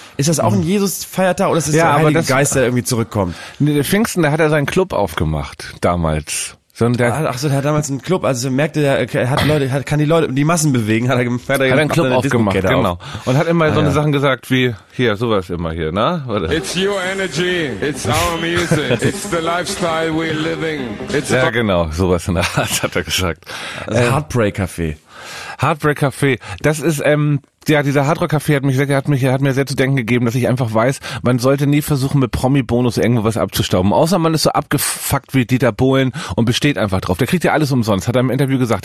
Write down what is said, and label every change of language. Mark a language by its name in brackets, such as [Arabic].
[German] Ist das auch ein Jesus-Feiertag oder ist das der Heilige Geist, der irgendwie zurückkommt? Nee, der Pfingsten, da hat er seinen Club aufgemacht, damals. Der hat damals einen Club, also merkte er, kann die Leute, die Massen bewegen, hat er einen Club aufgemacht, genau. Und hat immer so eine Sachen gesagt wie, hier, sowas immer hier, ne? [English] It's your energy, it's our music, it's the lifestyle we're living. It's [German] genau, sowas in der Art hat er gesagt. Also Heartbreak Café. Heartbreak Café, das ist, dieser Hardrock Café hat mir sehr zu denken gegeben, dass ich einfach weiß, man sollte nie versuchen, mit Promi-Bonus irgendwo was abzustauben. Außer man ist so abgefuckt wie Dieter Bohlen und besteht einfach drauf. Der kriegt ja alles umsonst, hat er im Interview gesagt.